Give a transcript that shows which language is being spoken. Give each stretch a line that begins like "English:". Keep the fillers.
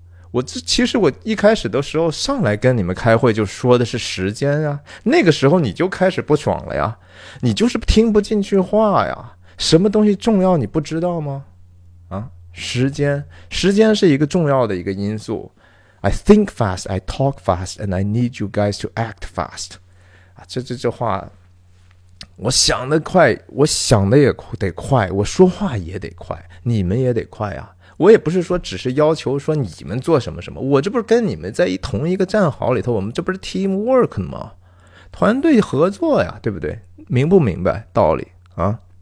Chinese: 我这其实我一开始的时候上来跟你们开会就说的是时间啊，那个时候你就开始不爽了呀，你就是听不进去话呀。什么东西重要你不知道吗？啊，时间，时间是一个重要的一个因素。
English: I think fast, I talk fast, and I need you guys to act fast。
Chinese: 啊，这这这话，我想的快，我想的也得快，我说话也得快，你们也得快啊！我也不是说只是要求说你们做什么什么，我这不是跟你们在一同一个战壕里头，我们这不是 team work 吗？团队合作呀，对不对？明不明白道理啊？